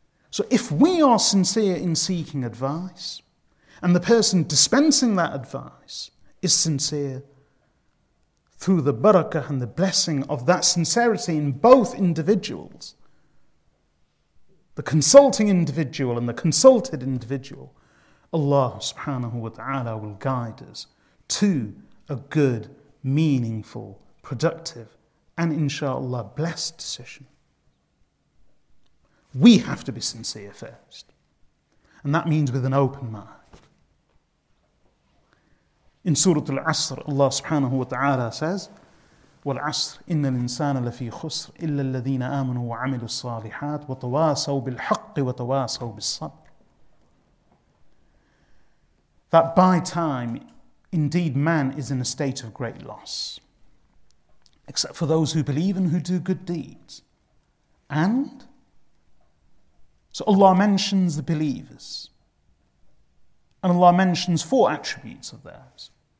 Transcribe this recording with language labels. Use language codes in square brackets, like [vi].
[en] So if we are sincere in seeking advice, and the person dispensing that advice is sincere, through the barakah and the blessing of that sincerity in both individuals, the consulting individual and the consulted individual, Allah subhanahu wa ta'ala will guide us to a good, meaningful, productive, and inshallah, blessed decision. We have to be sincere first. And that means with an open mind. In Surah Al-Asr, Allah subhanahu wa ta'ala says, [ar] وَالْعَصْرِ إِنَّ الْإِنسَانَ لَفِي خُسْرِ إِلَّا الَّذِينَ آمَنُوا وَعَمِلُوا الصَّالِحَاتِ وَتَوَاسَوْا بِالْحَقِّ وَتَوَاسَوْا بِالصَّبْرِ. [en] That by time, indeed man is in a state of great loss, except for those who believe and who do good deeds. And so Allah mentions the believers, and Allah mentions four attributes of theirs.